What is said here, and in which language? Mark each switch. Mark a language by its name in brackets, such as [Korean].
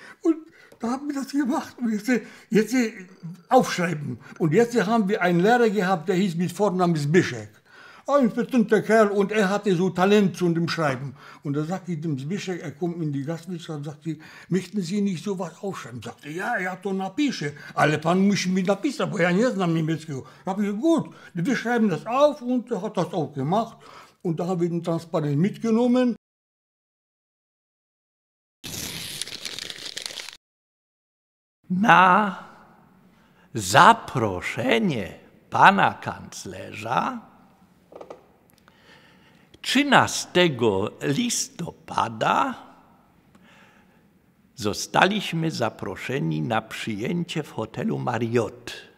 [German] Und da haben wir das gemacht. Und jetzt aufschreiben. Und jetzt haben wir einen Lehrer gehabt, der hieß mit Vornamen Zbyszek. Ein bestimmter Kerl, und er hatte so Talent zu dem Schreiben. Und da sagte ich dem Zbyszek, er kommt in die Gastwirtschaft, sagte ich, möchten Sie nicht sowas aufschreiben? Sagte ja, ja, [Polish] to napisze. Ale pan musi mi napisać, bo ja nie znam niemieckiego. [German] Sag ich, gut, wir schreiben das auf, und er hat das auch gemacht. Und da habe ich den Transparent mitgenommen. [Polish] Na, zaproszenie pana kanclerza 13 listopada zostaliśmy zaproszeni na przyjęcie w hotelu Marriott.